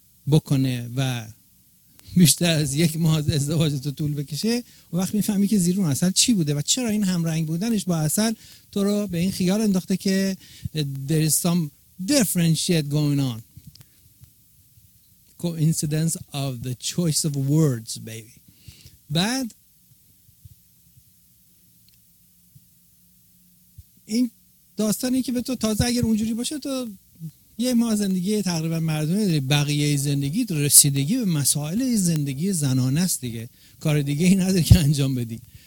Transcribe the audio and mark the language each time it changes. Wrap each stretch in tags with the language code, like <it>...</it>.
<fa>بکنه و بیشتر از یک ماه ازدواج تو طول بکشه، وقت میفهمی که زیر اون عسل چی بوده و چرا این همرنگ بودنش با عسل تو رو به این خیال انداخته که</fa> <en>there is some different shit going on. Coincidence of the choice of words, baby.</en> <fa>بعد این داستانی که به تو تازه اگر اونجوری باشه تو یه ماه زندگی تقریبا مردونه داری، بقیه زندگی رسیدگی به مسائل زندگی زنانه است دیگه، کار دیگه ای نداری که انجام بدی.</fa>